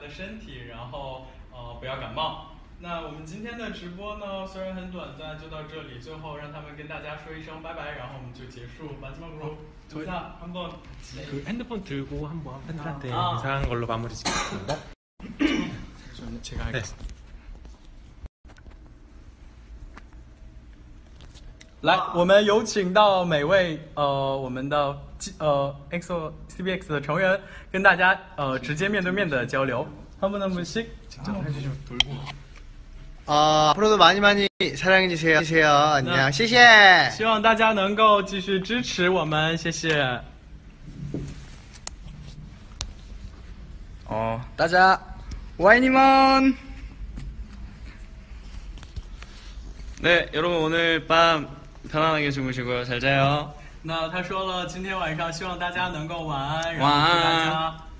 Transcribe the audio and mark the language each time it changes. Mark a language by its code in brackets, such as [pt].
[zh] 那最后呢他也不忘了各位粉丝朋友们的健康他就是说希望能够各位粉丝朋友们也能够注意大家的身体然后不要感冒 那我们今天的直播呢，虽然很短暂，就到这里。最后让他们跟大家说一声拜拜，然后我们就结束。 [ko] 마지막으로 한번 핸드폰 들고 한번 팬들한테 인사한 걸로 마무리 짓겠습니다. 저는 제가 하겠습니다. [zh] 来，我们有请到每位我们的EXO CBX 的成员跟大家直接面对面的交流。 [ko] 한 분 씩 직접 해주시면 돌고. 앞으로도 많이 많이 사랑해 주세요. 주세요. 안녕. [zh] 谢谢. 希望大家能够继续支持我们. 谢谢. 大家 와이니먼. [ko] 네, 여러분 오늘 밤 편안하게 주무시고요. 잘 자요. [zh] 那他说了今天晚上希望大家能够晚安，然后祝大家晚安.